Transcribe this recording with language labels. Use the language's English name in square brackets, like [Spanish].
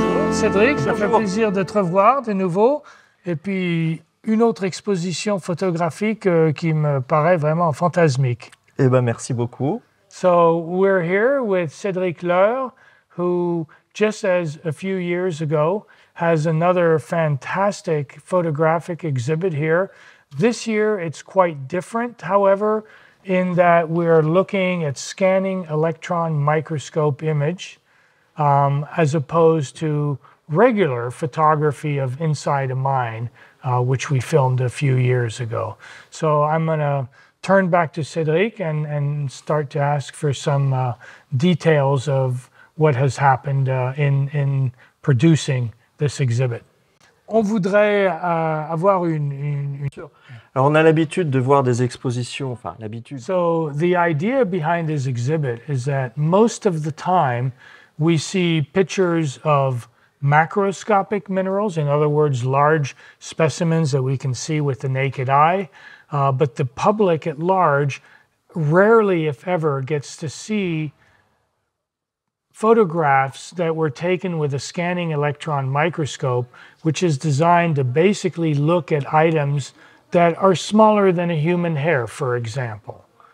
[French] Cédric, ça fait plaisir de te revoir de nouveau. Et puis, une autre exposition photographique qui me paraît vraiment fantasmique. Eh bien, merci beaucoup. [English] So, we're here with Cédric Leur, who, just as a few years ago, has another fantastic photographic exhibit here. This year, it's quite different, however, in that we're looking at scanning electron microscope image, as opposed to regular photography of inside a mine, which we filmed a few years ago. So I'm going to turn back to Cédric and start to ask for some details of what has happened in producing this exhibit. [French] On voudrait avoir une... Alors, on a l'habitude de voir des expositions, enfin, l'habitude. [English] So the idea behind this exhibit is that most of the time we see pictures of macroscopic minerals, in other words, large specimens that we can see with the naked eye. But the public at large rarely, if ever, gets to see photographs that were taken with a scanning electron microscope, which is designed to basically look at items that are smaller than a human hair, for example.